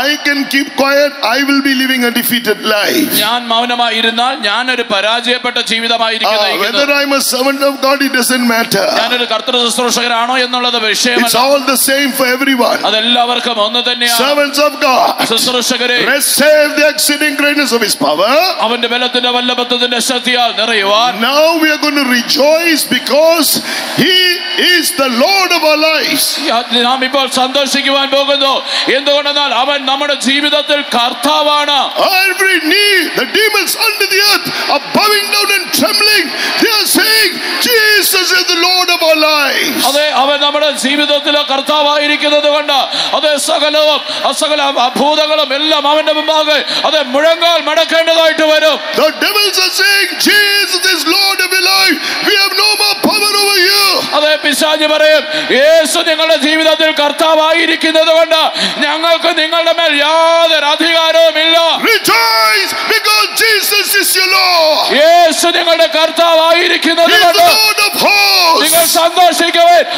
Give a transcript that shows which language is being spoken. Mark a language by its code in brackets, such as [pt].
[en] I can keep quiet, I will be living a defeated life. [ml] ഞാൻ മൗനമായി ഇരുന്നാൽ ഞാൻ ഒരു പരാജയപ്പെട്ട ജീവിതമായിരിക്കും. [en] Whether I am a servant of God, it doesn't matter. [ml] ഞാൻ ഒരു കർത്തൃശുശ്രൂഷകനാണോ എന്നുള്ളത് വിഷയമല്ല. [en] It's all the same for everyone. [ml] അതെല്ലാവർക്കും ഒന്ന് തന്നെയാണ്. [en] Servants of God, [ml] ശുശ്രൂഷകരെ, [en] receive the exceeding greatness of his power. [ml] അവന്റെ ബലത്തിന്റെ വല്ലഭത്വത്തിന്റെ ശക്തിയാൽ നിറയുവാൻ. [en] Now we are going to rejoice because he is the Lord of our lives. [ml] നാം ഇപ്പോൾ സന്തോഷിക്കുവാൻ പോകുന്നു. എന്തുകൊണ്ടെന്നാൽ അവൻ നമ്മുടെ ജീവിതത്തിൽ കർത്താവാണ്. [en] Every knee, the demons under the earth are bowing down and trembling. They are saying, Jesus is the Lord of our lives. [ml] അതെ, അവൻ നമ്മുടെ ജീവിതത്തിലെ കർത്താവായിരിക്കുന്നത് കൊണ്ട് അതെ സകലവും അസകല അഭൂതങ്ങളും എല്ലാം അവന്റെ മുമ്പാകെ അതെ മുഴങ്ങാൽ മടക്കേണ്ടതായിട്ട് വരും. [en] The devils are saying, Jesus is Lord of our life. We have no more power over you. [ml] അതെ, പിശാച് പറയും, യേശു നിങ്ങളുടെ ജീവിതത്തിൽ കർത്താവായിരിക്കുന്നത് കൊണ്ട് ഞങ്ങൾക്ക് നിങ്ങളുടെ മേൽ യാതൊരു അധികാരവും ഇല്ല. [en] Rejoice because Jesus is your Lord. [ml] യേശു നിങ്ങളുടെ കർത്താവായിരിക്കുന്നത് കൊണ്ട് നിങ്ങൾ സന്തോഷിക്കുവേ.